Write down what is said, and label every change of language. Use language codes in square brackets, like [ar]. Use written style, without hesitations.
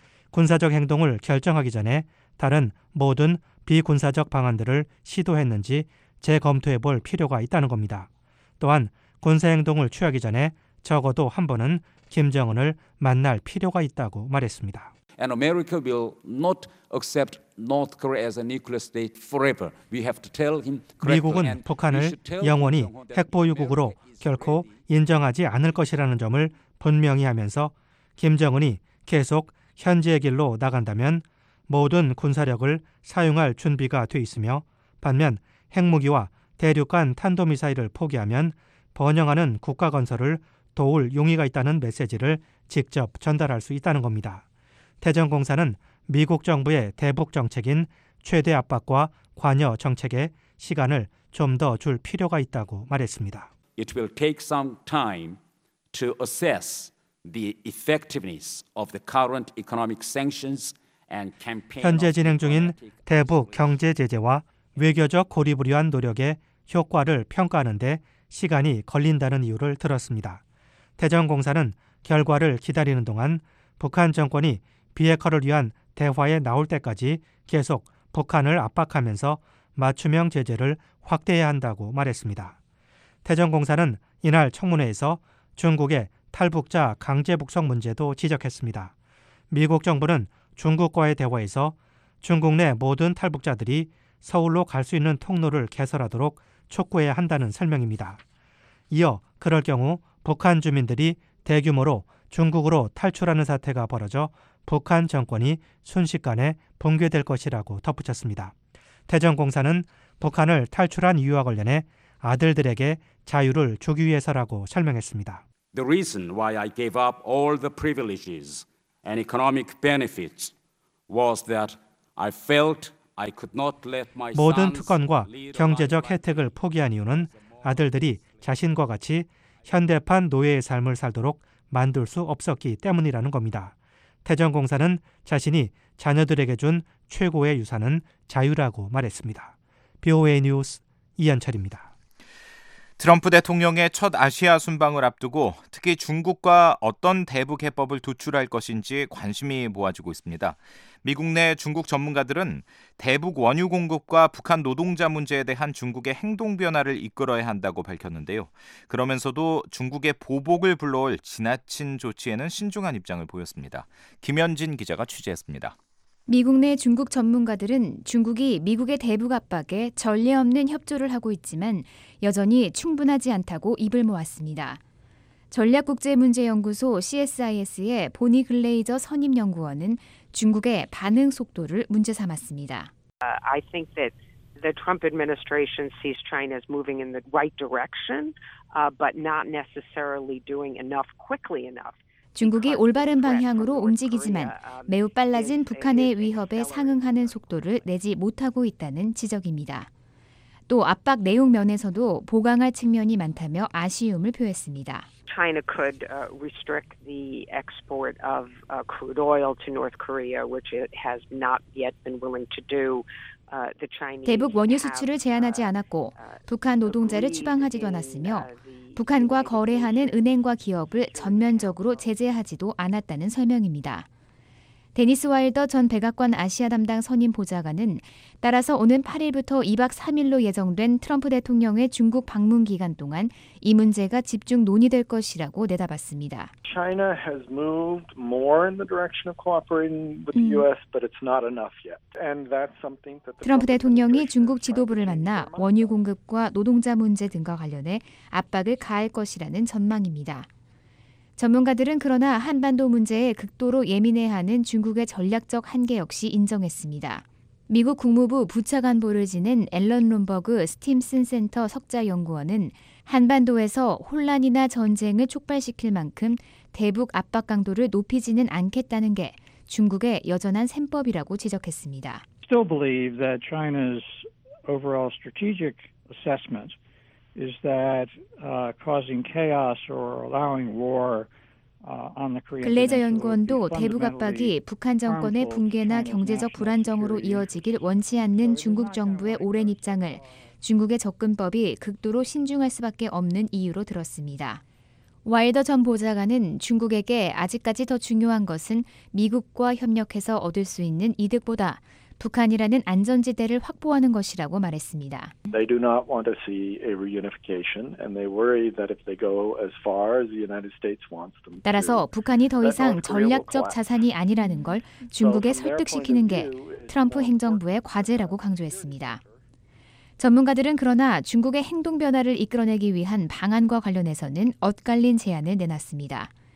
[ko] 군사적 행동을 결정하기 전에 다른 모든 비군사적 방안들을 시도했는지 재검토해 볼 필요가 있다는 겁니다. 또한 군사 행동을 취하기 전에 적어도 한 번은 김정은을 만날 필요가 있다고 말했습니다. [en] And America will not accept North Korea as a nuclear state forever. We have to tell him. [ko] 미국은 북한을 영원히 핵보유국으로 결코 인정하지 않을 것이라는 점을 분명히 하면서 김정은이 계속 현재의 길로 나간다면 모든 군사력을 사용할 준비가 돼 있으며 반면 핵무기와 대륙간 탄도미사일을 포기하면 번영하는 국가 건설을 도울 용의가 있다는 메시지를 직접 전달할 수 있다는 겁니다. 태정공사는 미국 정부의 대북 정책인 최대 압박과 관여 정책에 시간을 좀 더 줄 필요가 있다고 말했습니다. [en] It will take some time to assess the effectiveness of the current economic sanctions and campaign. [ko] 현재 진행 중인 대북 경제 제재와 외교적 고립을 위한 노력의 효과를 평가하는 데 시간이 걸린다는 이유를 들었습니다. 태정공사는 결과를 기다리는 동안 북한 정권이 비핵화를 위한 대화에 나올 때까지 계속 북한을 압박하면서 맞춤형 제재를 확대해야 한다고 말했습니다. 태정공사는 이날 청문회에서 중국의 탈북자 강제 북송 문제도 지적했습니다. 미국 정부는 중국과의 대화에서 중국 내 모든 탈북자들이 서울로 갈 수 있는 통로를 개설하도록 촉구해야 한다는 설명입니다. 이어 그럴 경우 북한 주민들이 대규모로 중국으로 탈출하는 사태가 벌어져 북한 정권이 순식간에 붕괴될 것이라고 덧붙였습니다. 대전공사는 북한을 탈출한 이유와 관련해 아들들에게 자유를 주기 위해서라고 설명했습니다. [en] The reason why I gave up all the privileges and economic benefits was that I felt I could not let my [ko] 모든 특권과 경제적 혜택을 포기한 이유는 아들들이 자신과 같이 현대판 노예의 삶을 살도록 만들 수 없었기 때문이라는 겁니다. 대전공사는 자신이 자녀들에게 준 최고의 유산은 자유라고 말했습니다. BOA 뉴스 이현철입니다. 트럼프 대통령의 첫 아시아 순방을 앞두고 특히 중국과 어떤 대북 해법을 도출할 것인지 관심이 모아지고 있습니다. 미국 내 중국 전문가들은 대북 원유 공급과 북한 노동자 문제에 대한 중국의 행동 변화를 이끌어야 한다고 밝혔는데요. 그러면서도 중국의 보복을 불러올 지나친 조치에는 신중한 입장을 보였습니다. 김현진 기자가 취재했습니다. 미국 내 중국 전문가들은 중국이 미국의 대북 압박에 전례 없는 협조를 하고 있지만 여전히 충분하지 않다고 입을 모았습니다. 전략국제문제연구소 CSIS의 보니 글레이저 선임연구원은 중국의 반응 속도를 문제 삼았습니다. [en] I think that the Trump administration sees China as moving in the right direction, but not necessarily doing enough quickly enough. [ko] 중국이 올바른 방향으로 움직이지만 매우 빨라진 북한의 위협에 상응하는 속도를 내지 못하고 있다는 지적입니다. 또 압박 내용 면에서도 보강할 측면이 많다며 아쉬움을 표했습니다. [en] China could restrict the export of crude oil to North Korea, which it has not yet been willing to do. [ko] 대북 원유 수출을 제한하지 않았고 북한 노동자를 추방하지도 않았으며 북한과 거래하는 은행과 기업을 전면적으로 제재하지도 않았다는 설명입니다. 데니스 와일더 전 백악관 아시아 담당 선임 보좌관은 따라서 오는 8일부터 2박 3일로 예정된 트럼프 대통령의 중국 방문 기간 동안 이 문제가 집중 논의될 것이라고 내다봤습니다. [en] China has moved more in the direction of cooperating with the US, but it's not enough yet. And that's something that [ko] 트럼프 대통령이 중국 지도부를 만나 원유 공급과 노동자 문제 등과 관련해 압박을 가할 것이라는 전망입니다. 전문가들은 그러나 한반도 문제에 극도로 예민해하는 중국의 전략적 한계 역시 인정했습니다. 미국 국무부 부차관보를 지낸 앨런 룸버그 스팀슨 센터 석좌 연구원은 한반도에서 혼란이나 전쟁을 촉발시킬 만큼 대북 압박 강도를 높이지는 않겠다는 게 중국의 여전한 셈법이라고 지적했습니다. [en] Still believe that China's overall strategic assessment is that causing chaos or allowing war on the Korean. [ko] 글레이저 연구원도 대북 압박이 북한 정권의 붕괴나 경제적 불안정으로 이어지길 원치 않는 중국 정부의 오랜 입장을 중국의 접근법이 극도로 신중할 수밖에 없는 이유로 들었습니다. 와일더 전 보좌관은 중국에게 아직까지 더 중요한 것은 미국과 협력해서 얻을 수 있는 이득보다 북한이라는 안전지대를 확보하는 것이라고 말했습니다. [en] They do not want to see a reunification and they worry that if they go as far as the United States wants them to. [ko] 따라서 북한이 더 이상 전략적 자산이 아니라는 걸 중국에 설득시키는 게 트럼프 행정부의 과제라고 강조했습니다. 전문가들은 그러나 중국의 행동 변화를 이끌어내기 위한 방안과 관련해서는 엇갈린 제안을 내놨습니다.